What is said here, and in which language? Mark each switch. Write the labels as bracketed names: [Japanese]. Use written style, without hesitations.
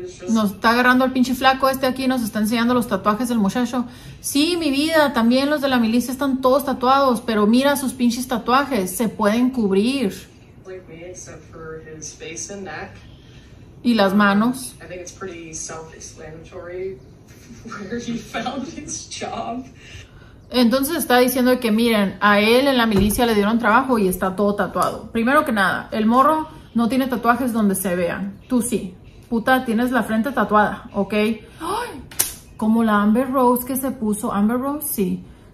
[Spanish] Nos está agarrando el pinche flaco este aquí, nos está enseñando los tatuajes del muchacho. Sí, mi vida, también los de la milicia están todos tatuados, pero mira sus pinches tatuajes, se pueden cubrir. [English] Except for his face and neck. [Spanish] Y las manos. [English] I think it's pretty self-explanatory where he found his job. [Spanish] Entonces está diciendo que miren, a él en la milicia le dieron trabajo y está todo tatuado. Primero que nada, el morro no tiene tatuajes donde se vean. Tú sí. Puta, tienes la frente tatuada, ¿ok? ¡Ay! Como la Amber Rose que se puso. Amber Rose, sí.